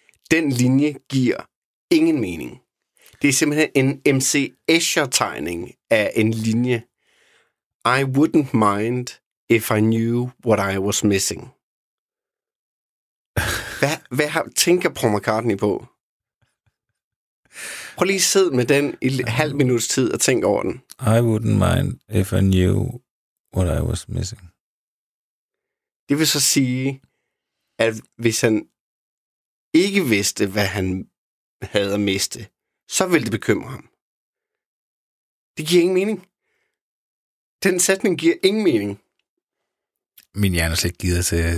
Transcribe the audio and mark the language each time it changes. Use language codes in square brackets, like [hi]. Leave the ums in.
[da] Den linje giver ingen mening. Det er simpelthen en MC Escher-tegning af en linje, [en] i wouldn't mind if I knew what I was missing. [da] Hvad, hvad har, tænker Paul McCartney på? Prøv lige at sidde med den i l- halv minuts tid og tænk over den. [en] I wouldn't mind if I knew what I was missing. [da] Det vil så sige, at hvis han ikke vidste, hvad han havde at miste, så ville det bekymre ham. Det giver ingen mening. Den sætning giver ingen mening. Min hjerne er slet ikke gider til,